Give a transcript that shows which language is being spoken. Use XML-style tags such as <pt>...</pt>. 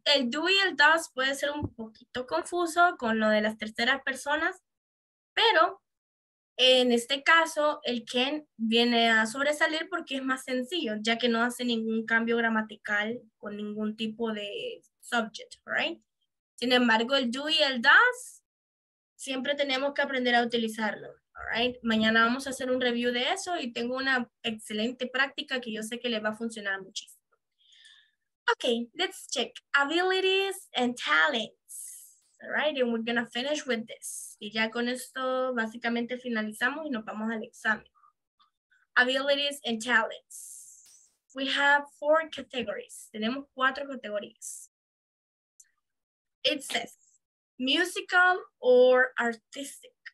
<es>El do y el does puede ser un poquito confuso con lo de las terceras personas, pero en este caso el can viene a sobresalir porque es más sencillo, ya que no hace ningún cambio gramatical con ningún tipo de subject, right? Sin embargo, el do y el does siempre tenemos que aprender a utilizarlo.</es> <en>All right.</en> <es>Mañana vamos a hacer un review de eso y tengo una excelente práctica que yo sé que les va a funcionar muchísimo.</es> <en>Okay, let's check abilities and talents. All right, and we're gonna finish with this.</en> <es>Y ya con esto básicamente finalizamos y nos vamos al examen.</es> <en>Abilities and talents. We have four categories.</en> <es>Tenemos cuatro categorías.</es> <en>It says musical or artistic.</en>